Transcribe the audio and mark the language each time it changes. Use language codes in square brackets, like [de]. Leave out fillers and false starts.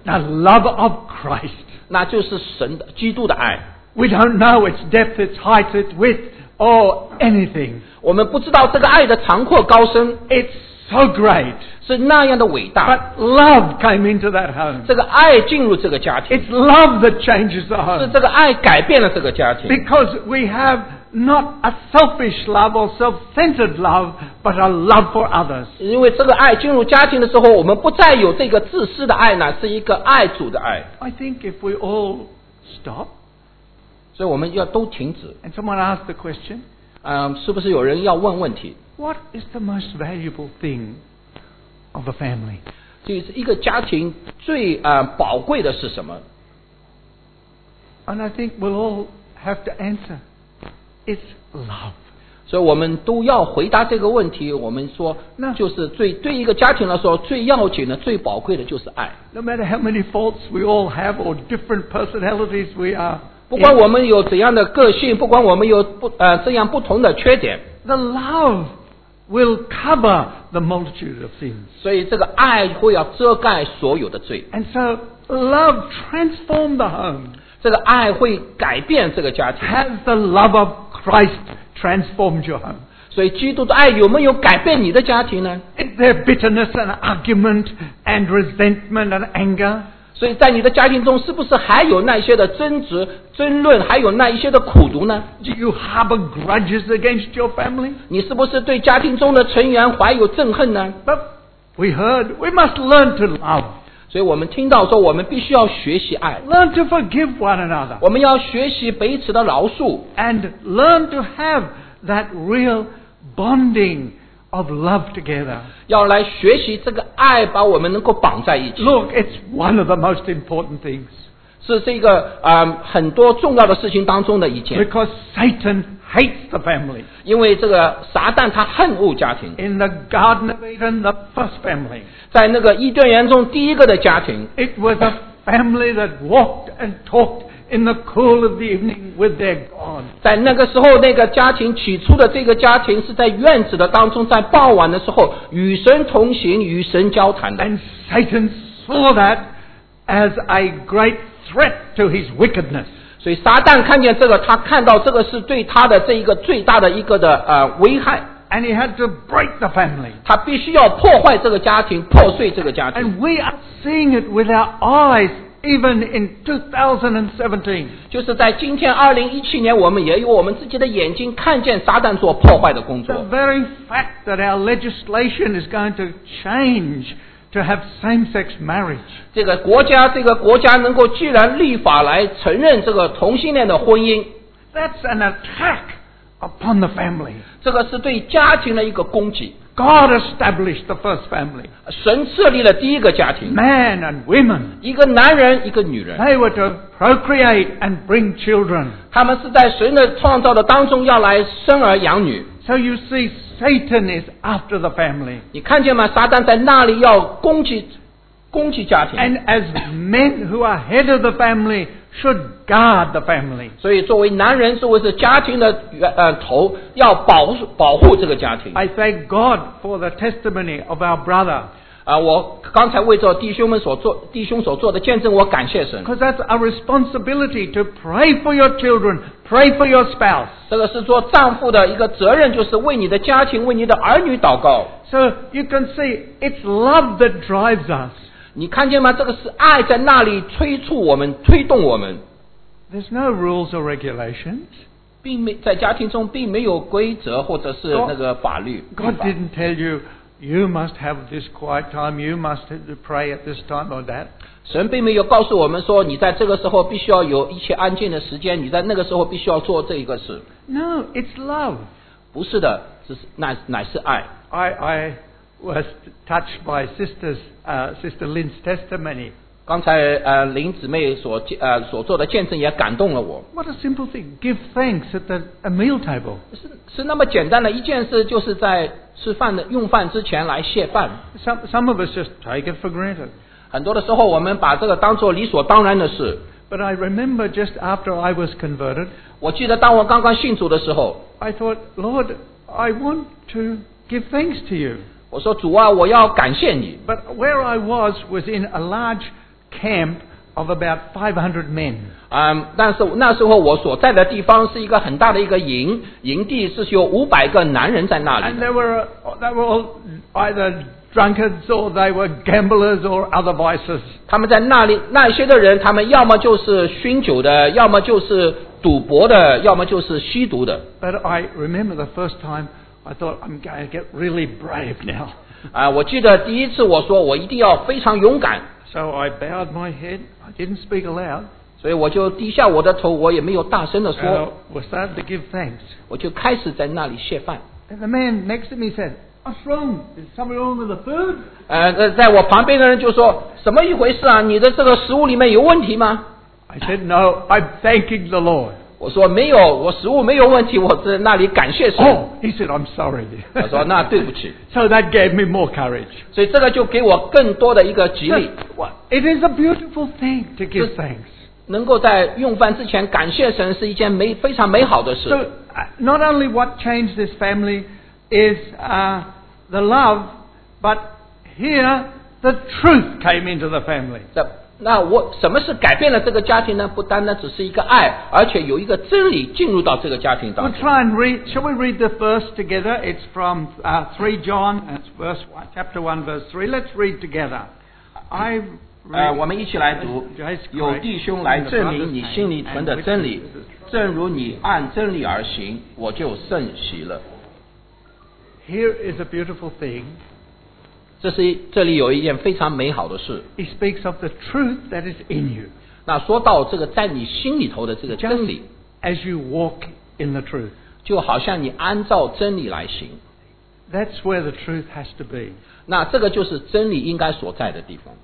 [en] The love of Christ. [zh] 那就是神的基督的爱。 [en] We don't know its depth, its height, its width, or anything. [zh] 我们不知道这个爱的长阔高深。 [en] It's so great. [zh] 是那样的伟大。 [en] But love came into that home. [zh] 这个爱进入这个家庭。 [en] It's love that changes the home. [zh] 是这个爱改变了这个家庭。 [en] Because we have. Not a selfish love or self-centered love, but a love for others. [zh] 因为这个爱进入家庭的时候，我们不再有这个自私的爱呢，是一个爱主的爱。 [en] I think if we all stop, [zh] 所以我们要都停止。 [en] And someone asked the question, [zh] 是不是有人要问问题 [en] ？What is the most valuable thing of a family? [zh] 就是一个家庭最宝贵的是什么 [en] ？And I think we'll all have to answer. It's love. [zh] 所以我们都要回答这个问题。我们说，就是最对一个家庭来说最要紧的、最宝贵的就是爱。 [en] No matter how many faults we all have or different personalities we are, [zh] 不管我们有怎样的个性，不管我们有这样不同的缺点 [en] ，the love will cover the multitude of sins. [zh] 所以这个爱会要遮盖所有的罪。 [en] And so love transformed the home. [zh] 这个爱会改变这个家庭。 [en] Has the love of Christ transformed your home? [zh] 所以基督的爱有没有改变你的家庭呢 [en] ？Is there bitterness and argument and resentment and anger? [zh] 所以在你的家庭中，是不是还有那些的争执、争论，还有那一些的苦毒呢 [en] ？Do you harbor grudges against your family? [zh] 你是不是对家庭中的成员怀有憎恨呢 [en] ？But we heard we must learn to love. [zh] 所以我们听到说我们必须要学习爱 [en] Learn to forgive one another [zh] 我们要学习彼此的饶恕 [en] And learn to have that real bonding of love together [zh] 要来学习这个爱把我们能够绑在一起 [en] Look, it's one of the most important things [zh] 是这个、很多重要的事情当中的一件 [en] Because Satan hates the family [zh] 因为这个撒旦他恨恶家庭 [en] In the Garden of Eden, the first family [zh] 在那个伊甸园中第一个的家庭 [en] It was a family that walked and talked in the cool of the evening with their God [zh] 在那个时候那个家庭起初的这个家庭是在院子的当中在傍晚的时候与神同行与神交谈的 [en] And Satan saw that as a great threat to his wickedness [zh] 所以撒旦看见这个他看到这个是对他的这一个最大的一个的、危害 [en] And he had to break the family. [zh] 他必须要破坏这个家庭，破碎这个家庭。 [en] And we are seeing it with our eyes, even in 2017. [zh] 就是在今天2017年，我们也有我们自己的眼睛看见撒旦所破坏的工作。 [en] The very fact that our legislation is going to change to have same-sex marriage. [zh] 这个国家能够既然立法来承认这个同性恋的婚姻。 [en] That's an attack. Upon the family. [zh] 这个是对家庭的一个攻击。 [en] God established the first family. [zh] 神设立了第一个家庭。 [en] Man and women. [zh] 一个男人一个女人。 [en] They were to procreate and bring children. [zh] 他们是在神的创造的当中要来生儿养女。 [en] So you see, Satan is after the family. [zh] 你看见吗？撒旦在那里要攻击家庭。 [en] And as men who are head of the family,Should guard the family. [zh] 所以作为男人，作为是家庭的头，要保护这个家庭。 [en] I thank God for the testimony of our brother. [zh] 我刚才为着弟兄所做的见证，我感谢神。 [en] Because that's a responsibility to pray for your children, pray for your spouse. [zh] 这个是做丈夫的一个责任，就是为你的家庭，为你的儿女祷告。 [en] So you can see, it's love that drives us. [zh] 你看见吗？这个是爱在那里催促我们，推动我们。 [en] There's no rules or regulations. [zh] 并没在家庭中并没有规则或者是那个法律。 [en] God didn't tell you you must have this quiet time, you must pray at this time or that. [zh] 神并没有告诉我们说你在这个时候必须要有一些安静的时间，你在那个时候必须要做这一个事。 [en] No, it's love. [zh] 不是的，这是乃是爱。 [en] I was touched by sister Lynn's testimony. [zh] 刚才林姊妹所做的见证也感动了我。 [en] What a simple thing! Give thanks at a meal table. [zh] 是那么简单的一件事，就是在吃饭的用饭之前来谢饭。 [en] Some of us just take it for granted. [zh] 很多的时候，我们把这个当作理所当然的事。 [en] But I remember just after I was converted. [zh] 我记得当我刚刚信主的时候。 [en] I thought, Lord, I want to give thanks to you. [zh] 我说主啊，我要感谢你。 [en] But where I was in a large camp of about 500 men. [zh] 但是那时候我所在的地方是一个很大的一个营，营地是有500个男人在那里。 [en] And they were all either drunkards or they were gamblers or other vices. [zh] 他们在那里那些的人，他们要么就是酗酒的，要么就是赌博的，要么就是吸毒的。 [en] But I remember the first time I thought I'm going to get really brave now. [zh] 我记得第一次我说我一定要非常勇敢。 [en] So I bowed my head. I didn't speak aloud. [zh] 所以我就低下我的头，我也没有大声地说。 [en] And I was starting to give thanks. [zh] 我就开始在那里谢饭。 [en] And the man next to me said, "What's wrong? Is something wrong with the food?" [zh] 在我旁边的人就说，什么一回事啊？你的这个食物里面有问题吗 [en] ？I said, "No. I'm thanking the Lord." [zh] 我说没有，我食物没有问题，我在那里感谢神。 [en] Oh, he said, "I'm sorry." [zh] 他说那对不起。 [en] So that gave me more courage. [zh] 所以这个就给我更多的一个激励。 [en] It is a beautiful thing to give thanks. [zh] 能够在用饭之前感谢神是一件非常美好的事。 [en] So, not only what changed this family is the love, but here the truth came into the family. [zh] 那我什么是改变了这个家庭呢？不单单只是一个爱，而且有一个真理进入到这个家庭当中。 [en] We'll try and read. Shall we read the verse together? It's from 3 John, it's verse 1, chapter 1, verse 3. Let's read together. I read, [zh] 我们一起来读。有弟兄来证明你心里存的真理，正如你按真理而行，我就甚喜了。 [en] Here is a beautiful thing. [zh] 这里有一件非常美好的事。 [en] He speaks of the truth that is in you. [zh] 那说到这个在你心里头的这个真理。 [en] Just as you walk in the truth. [zh] 就好像你按照真理来行。 [en] That's where the truth has to be. [zh] 那这个就是真理应该所在的地方。